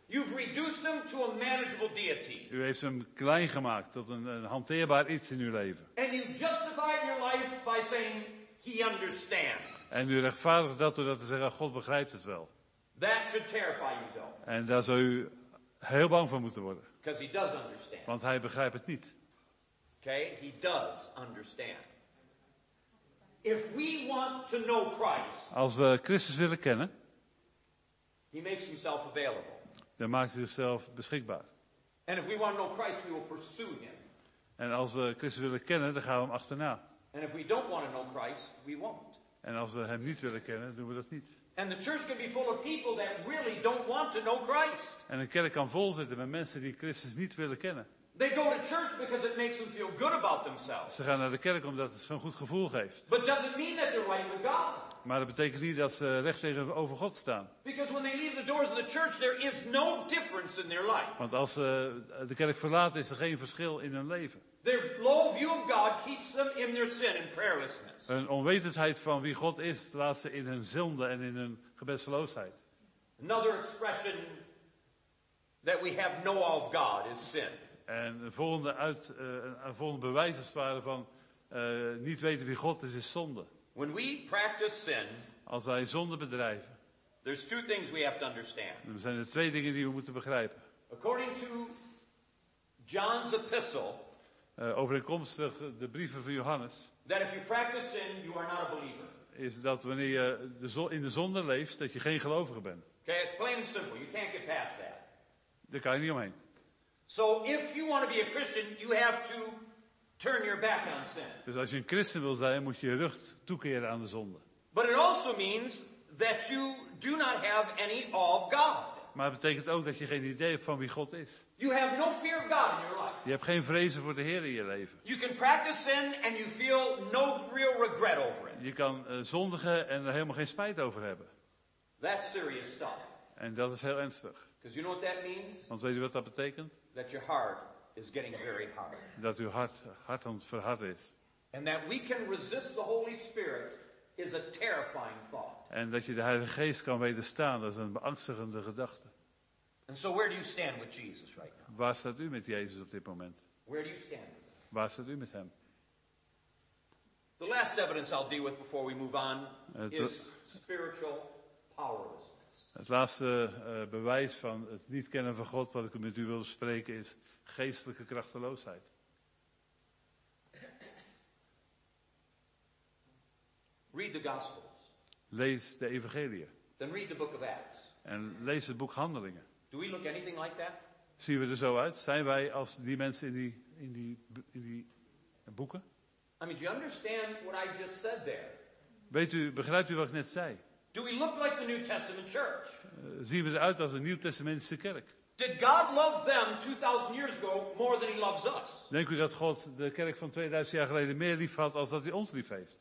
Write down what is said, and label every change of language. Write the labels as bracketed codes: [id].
[en] You've reduced him to a manageable deity. [nl] U heeft hem klein gemaakt tot een hanteerbaar iets in uw leven. [en] And you justify your life by saying He understands. [nl] En u rechtvaardigt dat door dat te zeggen, God begrijpt het wel. [en] That should terrify you, though. [nl] En daar zou u heel bang van moeten worden. [en] Because he does understand. [nl] Want hij begrijpt het niet. [en] Okay, he does understand. If we want to know Christ, [nl] als we Christus willen kennen, [en] he makes himself available. [nl] Dan maakt hij zichzelf beschikbaar. [en] And if we want to know Christ, we will pursue him. [nl] En als we Christus willen kennen, dan gaan we hem achterna. [en] And if we don't want to know Christ, we won't. [nl] En als we hem niet willen kennen, doen we dat niet. [en] And the church can be full of people that really don't want to know Christ. [nl] En een kerk kan vol zitten met mensen die Christus niet willen kennen. [en] They go to church because it makes them feel good about themselves. [nl] Ze gaan naar de kerk omdat het zo'n goed gevoel geeft. [en] But does it mean that they're right with God? [nl] Maar dat betekent niet dat ze recht tegenover God staan. [en] Because when they leave the doors of the church, there is no difference in their life. [nl] Want als ze de kerk verlaten, is er geen verschil in hun leven. [en] Their low view of God keeps them in their sin and prayerlessness. [nl] Hun onwetendheid van wie God is, laat ze in hun zonde en in hun gebedsloosheid. [en] Another expression that we have no all of God is sin. [nl] En een volgende bewijs als het ware van niet weten wie God is, is zonde. [en] When we practice sin, [nl] als wij zonde bedrijven, [en] there's two things we have to understand. [nl] Dan zijn er twee dingen die we moeten begrijpen. [en] According to John's epistle, [nl] overeenkomstig de brieven van Johannes, [en] that if you practice sin, you are not a believer. [nl] Is dat wanneer je in de zonde leeft, dat je geen gelovige bent. [en] Okay, it's plain and simple. You can't get past that. [nl] Daar kan je niet omheen. [en] So if you want to be a Christian, you have to turn your back on sin. [nl] Dus als je een christen wil zijn, moet je je rug toekeren aan de zonde. [en] But it also means that you do not have any awe of God. [nl] Maar het betekent ook dat je geen idee hebt van wie God is. [en] You have no fear of God in your life. [nl] Je hebt geen vrezen voor de Heer in je leven. [en] You can practice sin and you feel no real regret over it. [nl] Je kan zondigen en er helemaal geen spijt over hebben. [en] That's serious stuff. [nl] En dat is heel ernstig. [en] You know what that means? [nl] Want weet u wat dat betekent? [en] That your heart is getting very hard. [nl] Dat uw hart aan het verhard is. [en] And that we can resist the Holy Spirit is a terrifying thought. [nl] En dat je de Heilige Geest kan wederstaan, dat is een beangstigende gedachte. [en] And so where do you stand with Jesus right now? [nl] Waar staat u met Jezus op dit moment? [en] Where do you stand with [nl] him? Waar staat u met hem? [en] The last evidence I'll deal with before we move on is spiritual powerlessness. [nl] Het laatste bewijs van het niet kennen van God, wat ik met u wil spreken, is geestelijke krachteloosheid. [en] Read the Gospels. [nl] Lees de Evangelie. [en] Then read the book of Acts. [nl] En lees het boek Handelingen. [en] Do we look anything like that? [nl] Zien we er zo uit? Zijn wij als die mensen in die boeken? [en] I mean, do you understand what I just said there? [nl] Begrijpt u wat ik net zei? [en] Do we look like the New Testament church? [nl] Zien we eruit als een Nieuw Testamentische kerk? [en] Did God love them 2000 years ago more than he loves us? [nl] Denk u dat God de kerk van 2000 jaar geleden meer lief had als dat hij ons lief heeft?